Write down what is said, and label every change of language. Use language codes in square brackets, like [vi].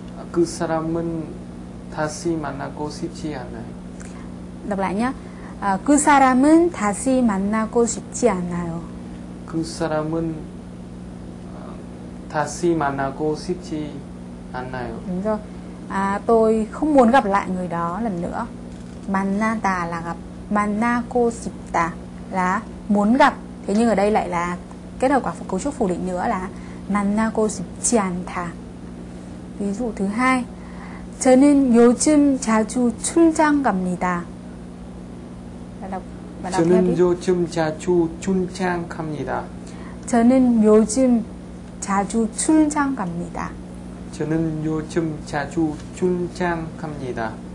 [ko] 그 사람은 다시 만나고 싶지 않아요. 딱 봐요. 그 사람은 다시 만나고 싶지 않아요. 그 사람은 다시 만나고 싶지 않나요? [vi] 이제 tôi không muốn gặp lại người đó lần nữa. 만나다 là gặp. 만나고 싶다 là muốn gặp. Thế nhưng ở đây lại là kết hợp quả cấu trúc phủ định nữa là 만나고 싶지 않다. Ví dụ thứ hai. [ko] 저는 요즘 자주 출장 갑니다. 저는 요즘 자주 출장 갑니다. 저는 요즘 자주 출장 갑니다. 저는 요즘 자주 출장 갑니다.